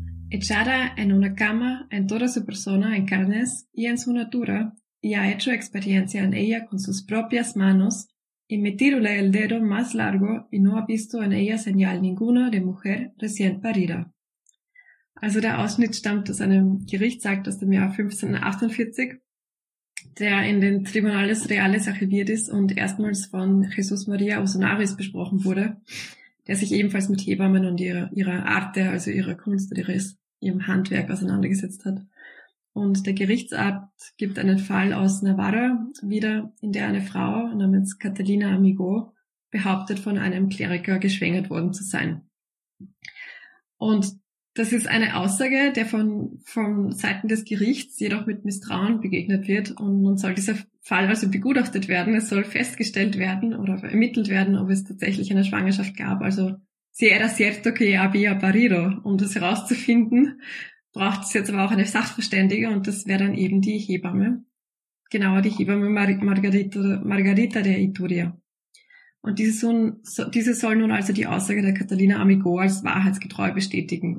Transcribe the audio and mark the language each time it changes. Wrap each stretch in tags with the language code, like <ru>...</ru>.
<es>Echada en una cama en toda su persona en carnes y en su natura, y ha hecho experiencia en ella con sus propias manos, y metírole el dedo más largo y no ha visto en ella señal ninguna de mujer recién parida.</es> <de>Also der Ausschnitt stammt aus einem Gerichtsakt aus dem Jahr 1548, der in den Tribunales Reales archiviert ist und erstmals von Jesus Maria Osonaris besprochen wurde, der sich ebenfalls mit Hebammen und ihrer Arte, also ihrer Kunst oder ihrem Handwerk auseinandergesetzt hat. Und der Gerichtsakt gibt einen Fall aus Navarra wieder, in der eine Frau namens Catalina Amigo behauptet, von einem Kleriker geschwängert worden zu sein. Und das ist eine Aussage, der von Seiten des Gerichts jedoch mit Misstrauen begegnet wird. Und nun soll dieser Fall also begutachtet werden. Es soll festgestellt werden oder ermittelt werden, ob es tatsächlich eine Schwangerschaft gab.</de> <es>Also, si era cierto que había parido.</es> <de>Um das herauszufinden, braucht es jetzt aber auch eine Sachverständige, und das wäre dann eben die Hebamme. Genauer, die Hebamme Margarita de Ituria. Und diese soll nun also die Aussage der Catalina Amigo als wahrheitsgetreu bestätigen.</de>